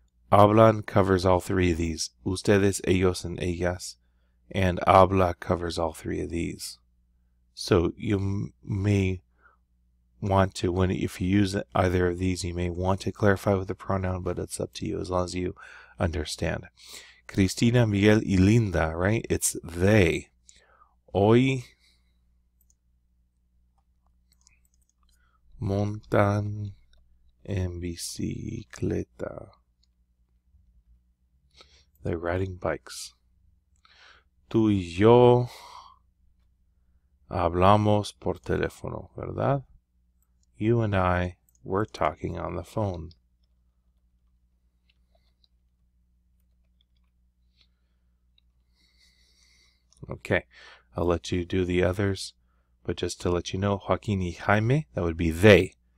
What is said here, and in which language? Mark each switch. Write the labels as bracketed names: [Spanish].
[English] Hablan covers all three of these, ustedes, ellos, and ellas, and habla covers all three of these. So you may want to, when if you use either of these, you may want to clarify with the pronoun, but it's up to you as long as you understand. Cristina, Miguel, y Linda, right? It's they. [Spanish] Hoy montan en bicicleta. [English] They're riding bikes. [Spanish] Tú y yo hablamos por teléfono, ¿verdad? [English] You and I were talking on the phone. Okay, I'll let you do the others, but just to let you know, Joaquín y Jaime, that would be they.